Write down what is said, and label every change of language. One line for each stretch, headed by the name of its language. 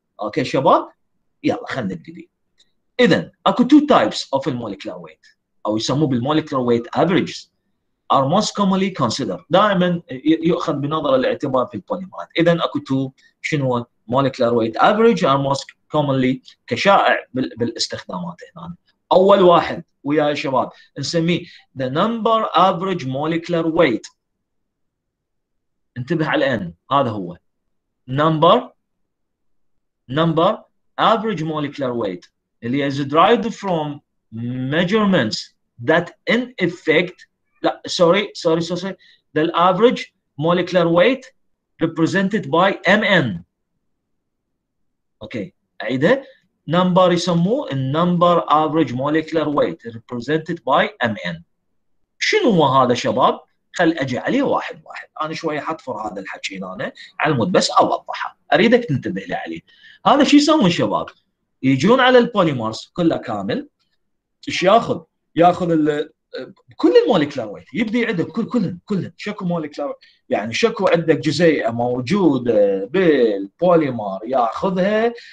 Arabic: اوكي شباب؟ يلا خلينا نبتدي. اذا اكو
English: two types of المولكيولر weight
Arabic: او يسموه
English: بالمولكيولر weight averages are most commonly consider,
Arabic: دائما يؤخذ بنظر الاعتبار في البوليمرات. اذا اكو تو شنو
English: molecular weight average are most commonly
Arabic: كشائع بالاستخدامات هنا. اول واحد ويا شباب نسميه
English: the number average molecular weight.
Arabic: انتبه على ان هذا هو
English: number average molecular weight
Arabic: اللي
English: is derived from measurements that in effect sorry the average molecular weight represented by mn.
Arabic: اوكي عيده number يسموه
English: number average molecular weight represented by mn.
Arabic: شنو هو هذا شباب؟ خل اجي عليه واحد واحد، انا شويه حطفر هذا الحكي هنا على المود بس اوضحه، اريدك تنتبه لي عليه. هذا شو يسوون شباب؟ يجون على البوليمرز كله كامل ايش ياخذ؟ ياخذ كل المولكيولر ويت، يبدي عنده كلهم، شكو مولكيولر يعني شكو عندك جزيئه موجوده بالبوليمر ياخذها